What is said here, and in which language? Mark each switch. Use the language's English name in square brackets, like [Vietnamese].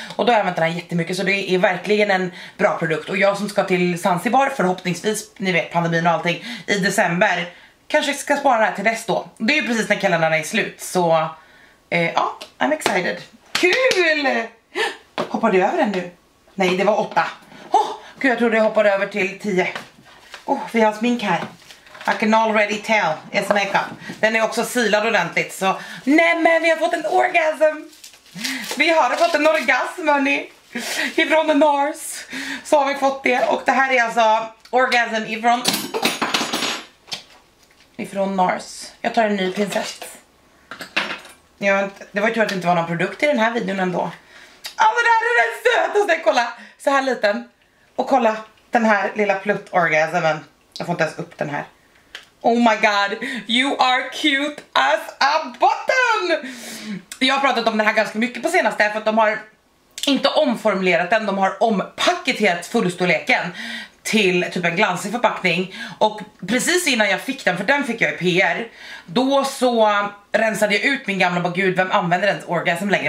[Swedish] Och då har jag använt den här jättemycket, så det är verkligen en bra produkt. Och jag som ska till Zanzibar, förhoppningsvis, ni vet pandemin och allting, i december, kanske ska spara det här till dess då. Det är ju precis när kalendern är slut, så Ja, [English] I'm excited. [Swedish] Kul! Hoppade jag över den nu? Nej, det var 8. Oh, gud, jag trodde jag hoppade över till 10. Oh, vi har smink här. [English] I can already tell it's makeup. [Swedish] Den är också silad ordentligt, så... Nej, men vi har fått en orgasm! Vi har fått en orgasm, hörni! Ifrån Nars så har vi fått det. Och det här är alltså orgasm ifrån... Ifrån Nars. Jag tar en ny prinsess. Ja, det var ju tur att det inte var någon produkt i den här videon ändå. Alltså det här är den sötaste, kolla! Så här liten. Och kolla den här lilla plutt orgasmen. Jag får inte ens upp den här. [English] Oh my god, you are cute as a button! [Swedish] Jag har pratat om det här ganska mycket på senaste, för att de har inte omformulerat den, de har ompaketerat fullstorleken till typ en glansig förpackning. Och precis innan jag fick den, för den fick jag i PR, då så rensade jag ut min gamla, bara gud, vem använder ens orgasm längre?